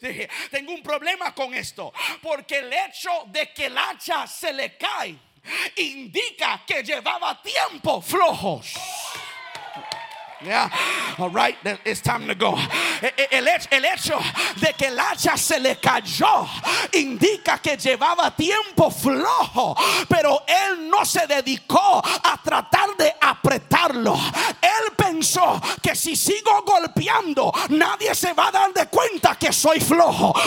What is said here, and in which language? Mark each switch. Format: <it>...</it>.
<es>Dije, tengo un problema con esto. Porque el hecho de que el hacha se le cae indica que llevaba tiempo flojo.</es> <en>Yeah, all right, it's time to go.</en> <es>El hecho de que el hacha se le cayó indica que llevaba tiempo flojo, pero él no se dedicó a tratar de apretarlo. Él pensó que si sigo golpeando, nadie se va a dar de cuenta que soy flojo.</es>